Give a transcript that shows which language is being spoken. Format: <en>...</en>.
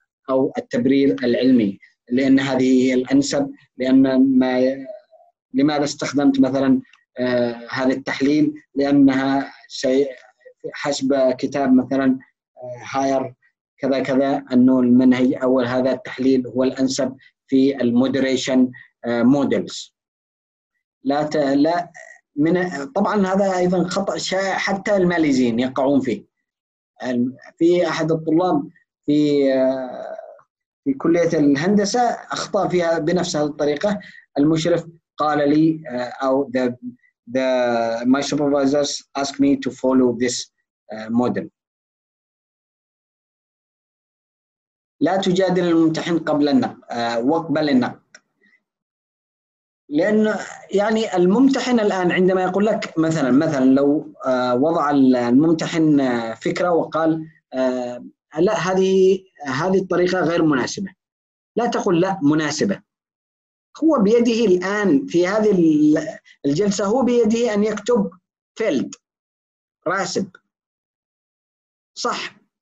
<ar>أو التبرير العلمي، لأن هذه هي الأنسب، لأن ما لماذا استخدمت مثلا هذا التحليل، لأنها حسب كتاب مثلا هاير كذا كذا أنه المنهج أول هذا التحليل هو الأنسب في المودريشن مودلز. لا من طبعا هذا أيضا خطأ شائع حتى الماليزيين يقعون فيه. في أحد الطلاب في كلية الهندسة أخطأ فيها بنفس الطريقة. المشرف قال لي أو</ar> <en>the my supervisors asked me to follow this model.</en> <ar>لا تجادل الممتحن قبل النقد وقبل النقد، لأن يعني الممتحن الآن عندما يقول لك مثلا لو وضع الممتحن فكرة وقال لا هذه الطريقة غير مناسبة، لا تقول لا مناسبة، هو بيده الآن في هذه الجلسة هو بيده أن يكتب فيلد راسب صح.</ar>